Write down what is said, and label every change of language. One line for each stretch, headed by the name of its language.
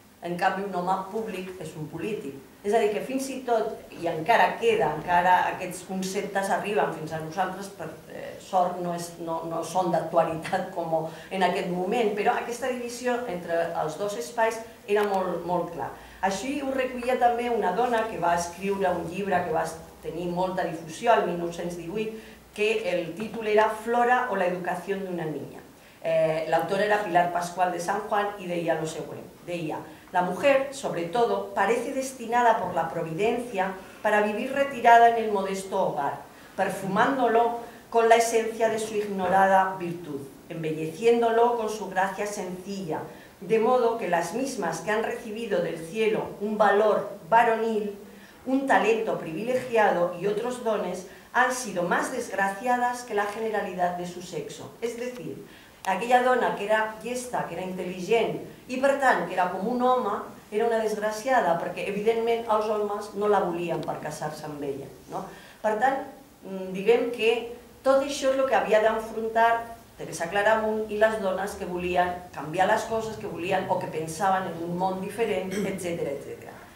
Catalan: En canvi, un home públic és un polític. És a dir, que fins i tot, i encara queda, encara aquests conceptes arriben fins a nosaltres, per sort no són d'actualitat com en aquest moment, però aquesta divisió entre els dos espais era molt, molt clar. Així ho recollia també una dona que va escriure un llibre que va tenir molta difusió el 1918, que el títol era Flora o la educació d'una niña. L'autora era Pilar Pascual de San Juan i deia lo següent.
Spanish: Deia: la mujer, sobre todo, parece destinada por la providencia para vivir retirada en el modesto hogar, perfumándolo con la esencia de su ignorada virtud, embelleciéndolo con su gracia sencilla, de modo que las mismas que han recibido del cielo un valor varonil, un talento privilegiado y otros dones han sido más desgraciadas que la generalidad de su sexo. Es decir,
Catalan: aquella dona que era llesta, que era intel·ligent i per tant que era com un home, era una desgraciada, perquè evidentment els homes no la volien per casar-se amb ella. No? Per tant, diguem que tot això és el que havia d'enfrontar Teresa Claramunt i les dones que volien canviar les coses, que volien o que pensaven en un món diferent, etc. etc.